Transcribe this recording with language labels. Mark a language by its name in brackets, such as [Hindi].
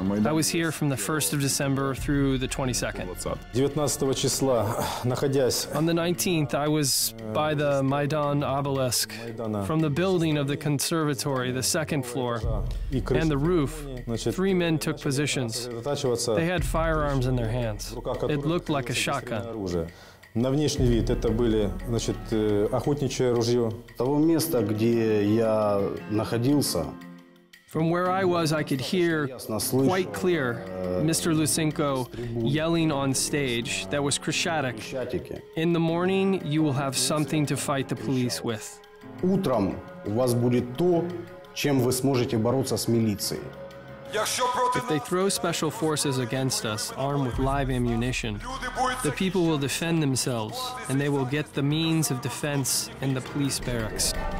[English] I was here from the 1st of December through the 22nd. On the 19th, I was by the Maidan obelisk. From the building of the conservatory, the second floor, and the roof, three men took positions. They had firearms in their hands. It looked like a shotgun. [Russian] На внешний вид это были, значит, охотничье ружье. Того места, где я находился. [English] From where I was, I could hear quite clear Mr. Lusenko yelling on stage that was Krishatic. In the morning, you will have something to fight the police with. [Russian] Утром у вас будет то, чем вы сможете бороться с милицией. [English] If they throw special forces against us, armed with live ammunition, the people will defend themselves, and they will get the means of defense in the police barracks.